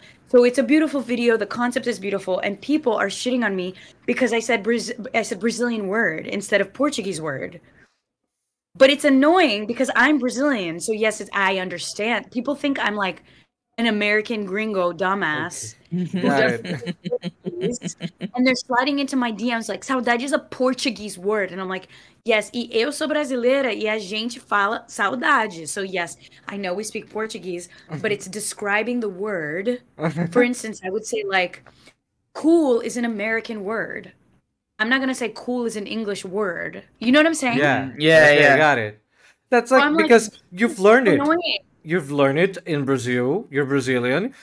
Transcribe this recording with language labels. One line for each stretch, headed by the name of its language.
English: So it's a beautiful video. The concept is beautiful. And people are shitting on me because I said Brazilian word instead of Portuguese word. But it's annoying because I'm Brazilian. So yes, I understand. People think I'm like an American gringo dumbass. Okay. And they're sliding into my DMs like, saudade is a Portuguese word. And I'm like, yes,
Portuguese: e eu sou brasileira e a gente fala saudade.
English: So yes, I know we speak Portuguese, but it's describing the word. For instance, I would say like, cool is an American word. I'm not going to say cool is an English word. You know what I'm saying? Yeah. Got it. That's like, because like, you've learned it. You've learned it in Brazil. You're Brazilian.